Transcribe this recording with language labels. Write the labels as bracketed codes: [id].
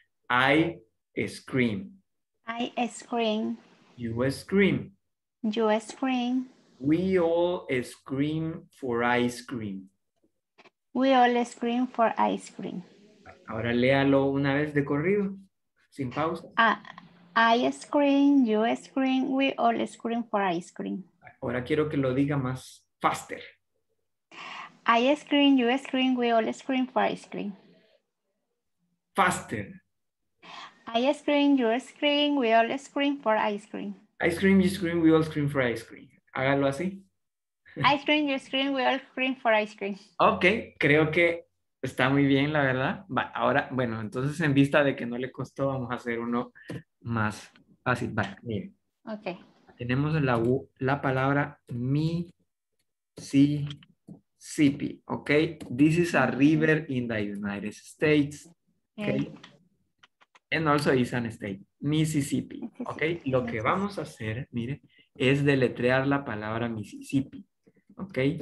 [en] I scream. I scream. You scream. You scream. We all scream for ice cream. We all scream for ice cream. [es] Ahora léalo una vez de corrido, sin pausa. [en] I scream, you scream, we all scream for ice cream. [es] Ahora quiero que lo diga más faster. [en] I scream, you scream, we all scream for ice cream. Faster. I scream, you scream, we all scream for ice cream. I scream, you scream, we all scream for ice cream. [es] Hágalo así. [en] Ice cream, you scream, we all scream for ice cream. [es] Ok, creo que está muy bien, la verdad. Va, ahora, bueno, entonces en vista de que no le costó, vamos a hacer uno más fácil. Va, miren. Ok. Tenemos la palabra Mississippi, ok. [en] This is a river in the United States, ok. Okay. And also is an state, Mississippi, ok. [es] Lo que vamos a hacer, miren, es deletrear la palabra Mississippi, ¿ok?